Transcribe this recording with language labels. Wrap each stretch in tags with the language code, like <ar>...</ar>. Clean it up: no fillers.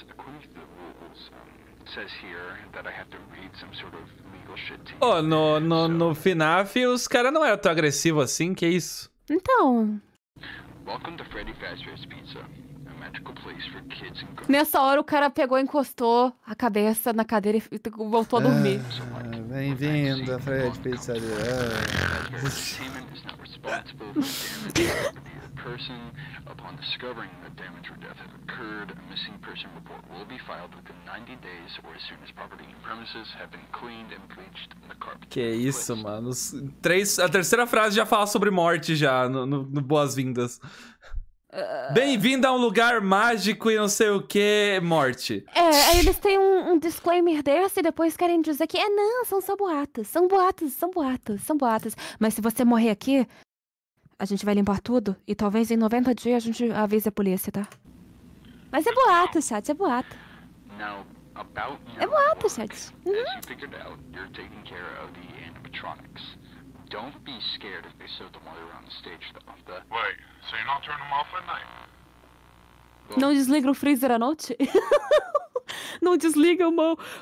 <en>According to the rules, says here that I have to read some sort of legal shit to you.</en> <pt>Oh, no FNAF, os caras não eram tão agressivos assim, que isso? Então.</pt> <en>Welcome to Freddy Fazbear's Pizza, a magical place for kids and girls.</en> <pt>Nessa hora o cara pegou, encostou a cabeça na cadeira e voltou a dormir. Bem-vindo a Freddy Pizzaria. Person, upon discovering that damage or death had occurred, a missing person report will be filed within 90 days or as soon as property and premises have been cleaned and bleached and the carpet. Que isso, mano. A terceira frase já fala sobre morte já, no boas-vindas. Bem-vindo a um lugar mágico e não sei o que, morte. É, eles têm um disclaimer desse e depois querem dizer que não, são só boatos, são boatos, são boatos, são boatos. Mas se você morrer aqui, a gente vai limpar tudo e talvez em 90 dias a gente avise a polícia, tá? Mas é boato, chat, é boato.</pt> <en>Now, about</en> <pt>é boato, chat.</pt> <en>As you figured out, you're taking care of the animatronics. Don't be scared if they serve them while you're on the stage, though. Wait, so you're not turning them off at night?</en> <pt>Não desliga o freezer à noite? Não desliga o...</pt>